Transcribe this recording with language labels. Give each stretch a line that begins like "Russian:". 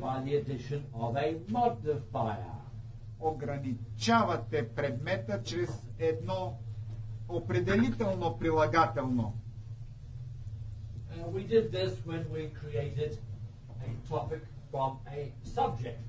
English: By the addition of a modifier.
Bulgarian: Ограничавате предмета чрез едно определително прилагателно.
English: We did this when we created a topic from a subject.